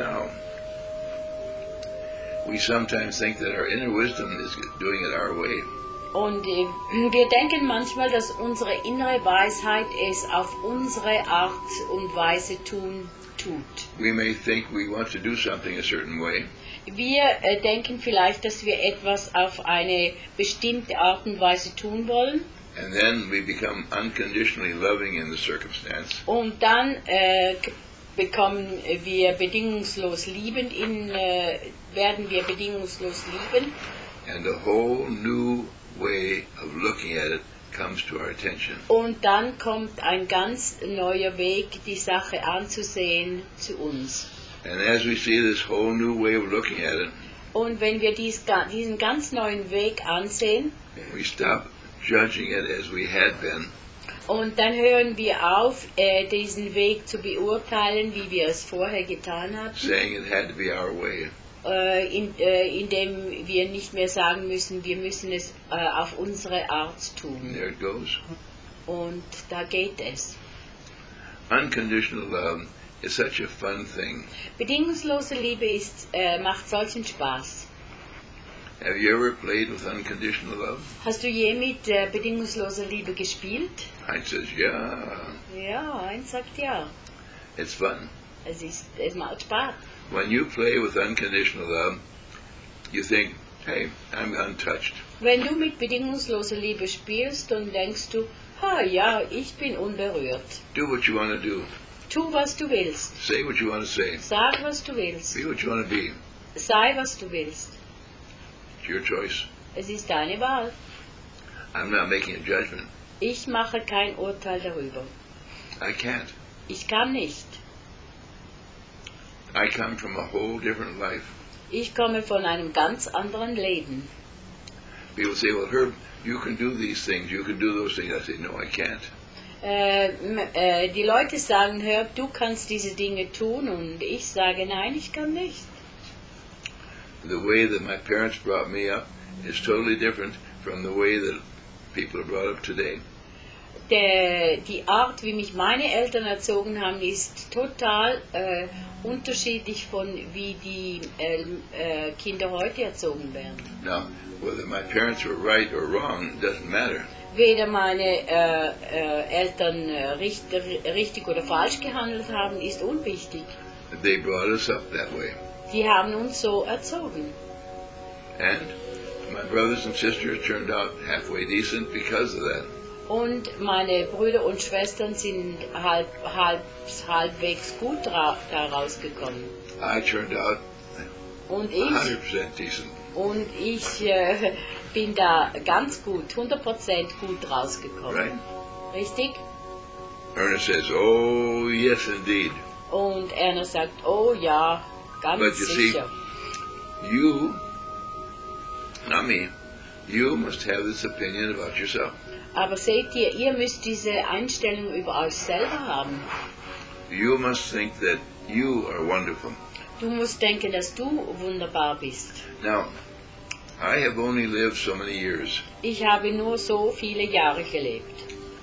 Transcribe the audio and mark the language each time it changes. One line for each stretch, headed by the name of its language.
English: Now, we sometimes think that our inner wisdom is doing it our way.
German: Und wir denken manchmal, dass unsere innere Weisheit es auf unsere Art und Weise tun tut.
English: We may think we want to do something a certain way.
German: Wir denken vielleicht, dass wir etwas auf eine bestimmte Art und Weise tun wollen.
English: And then we become unconditionally loving in the circumstance.
German: Und dann bekommen wir bedingungslos liebend werden wir bedingungslos lieben.
English: And a whole new way of looking at it comes to our attention.
German: Und dann kommt ein ganz neuer Weg, die Sache anzusehen, zu uns.
English: And as we see this whole new way of looking at it,
German: und wenn wir diesen ganz neuen Weg ansehen,
English: we stop judging it as we had been.
German: Und dann hören wir auf, diesen Weg zu beurteilen, wie wir es vorher getan haben.
English: Saying it had to be our way.
German: Indem wir nicht mehr sagen müssen, wir müssen es auf unsere Art tun.
English: And there it goes.
German: Und da geht es.
English: Unconditional love. It's such a fun thing.
German: Bedingungslose Liebe macht solchen Spaß.
English: Have you ever played with unconditional love?
German: Hast du je mit bedingungsloser Liebe gespielt?
English: Eins says, yeah.
German: Ja, eins sagt ja.
English: It's fun.
German: Es macht Spaß.
English: When you play with unconditional love, you think, hey, I'm untouched.
German: Wenn du mit bedingungsloser Liebe spielst, dann denkst du, ha, ja, ich bin unberührt.
English: Do what you want to do.
German: Tu, was du willst.
English: Say what you want to say.
German: Sag, was du willst.
English: Be what you want to be.
German: Sei, was du willst.
English: It's your choice.
German: Es ist deine Wahl.
English: I'm not making a judgment.
German: Ich mache kein Urteil darüber.
English: I can't.
German: Ich kann nicht.
English: I come from a whole different life.
German: Ich komme von einem ganz anderen Leben.
English: People say, well, Herb, you can do these things, you can do those things. I say, no, I can't.
German: Die Leute sagen, Herb, du kannst diese Dinge tun, und ich sage, nein, ich kann nicht.
English: The way that my parents brought me up is totally different from the way that people are brought up today.
German: Die Art, wie mich meine Eltern erzogen haben, ist total unterschiedlich von wie die Kinder heute erzogen werden.
English: Now, whether my parents were right or wrong doesn't matter.
German: Weder meine Eltern richtig oder falsch gehandelt haben, ist unwichtig.
English: They brought us up that way.
German: Die haben uns so erzogen.
English: And my brothers and sisters turned out halfway decent because of that.
German: Und meine Brüder und Schwestern sind halbwegs gut daraus gekommen.
English: I turned out 100% decent.
German: Und ich bin da ganz gut, 100% gut rausgekommen.
English: Right.
German: Richtig?
English: Ernest says, oh, yes, indeed.
German: Und Ernest sagt, oh ja, ganz
English: But you
German: sicher.
English: See, you, not me, you must have this opinion about yourself.
German: Aber seht ihr, ihr müsst diese Einstellung über euch selber haben.
English: You must think that you are wonderful.
German: Du musst denken, dass du wunderbar bist.
English: Now, I have only lived so many years.
German: Ich habe nur so viele Jahre gelebt.